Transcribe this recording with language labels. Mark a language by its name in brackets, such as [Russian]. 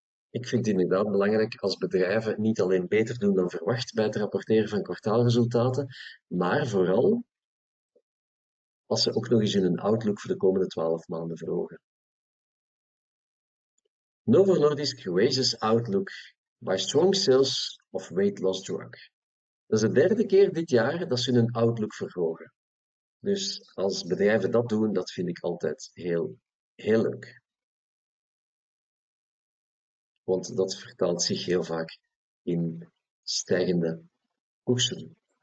[Dutch] Ik vind het inderdaad belangrijk als bedrijven niet alleen beter doen dan verwacht bij het rapporteren van kwartaalresultaten, maar vooral als ze ook nog eens in hun outlook voor de komende 12 maanden verhogen. [English] Novo Nordisk raises outlook by strong sales of weight loss drug. [Dutch] Dat is de derde keer dit jaar dat ze hun outlook verhogen. Dus als bedrijven dat doen, dat vind ik altijd heel, heel leuk. Want dat vertaalt zich heel vaak in stijgende koersen.